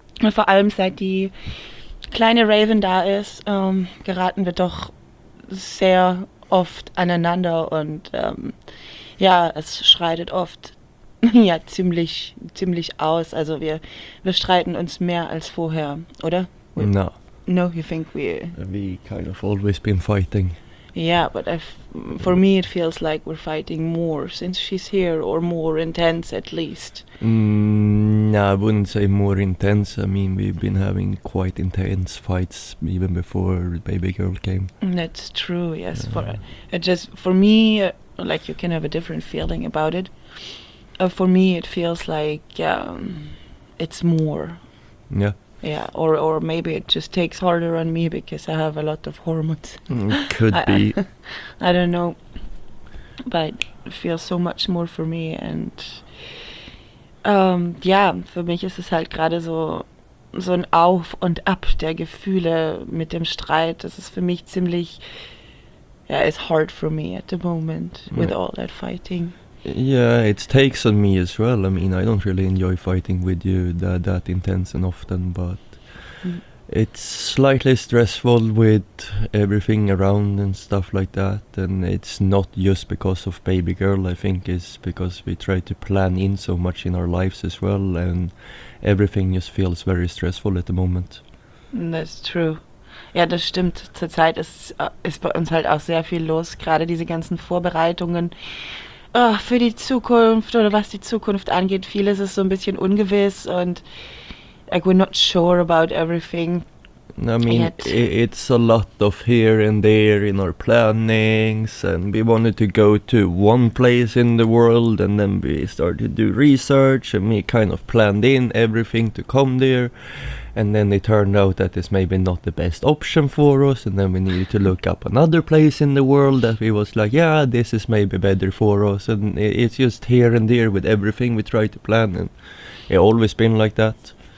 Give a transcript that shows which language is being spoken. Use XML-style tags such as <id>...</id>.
<de>Vor allem seit die kleine Raven da ist, geraten wir doch sehr oft aneinander und es schreitet oft ja ziemlich aus. Also wir streiten uns mehr als vorher, oder?</de> <en>No, you think we? We kind of always been fighting. Yeah, but for me it feels like we're fighting more since she's here, or more intense at least. No, I wouldn't say more intense. I mean, we've been having quite intense fights even before baby girl came. That's true, yes. Yeah. For me, you can have a different feeling about it. For me, it feels like it's more. Yeah. Yeah, or maybe it just takes harder on me because I have a lot of hormones. Could be. I don't know. But it feels so much more for me.</en> <de>And für mich ist es halt gerade so ein Auf und Ab der Gefühle mit dem Streit. Das ist für mich ziemlich,</de> <en>it's hard for me at the moment with all that fighting. Yeah, it takes on me as well. I mean, I don't really enjoy fighting with you that intense and often, but it's slightly stressful with everything around and stuff like that. And it's not just because of baby girl, I think it's because we try to plan in so much in our lives as well, and everything just feels very stressful at the moment. That's true.</en> <de>Ja, das stimmt. Zurzeit ist bei uns halt auch sehr viel los, gerade diese ganzen Vorbereitungen. Oh, für die Zukunft oder was die Zukunft angeht, vieles ist so ein bisschen ungewiss und</de> <en>we're not sure about everything. I mean, it's a lot of here and there in our plannings, and we wanted to go to one place in the world, and then we started to do research, and we kind of planned in everything to come there, and then it turned out that it's maybe not the best option for us, and then we needed to look up another place in the world that we was like, yeah, this is maybe better for us, and it's just here and there with everything we try to plan, and it always been like that.</en>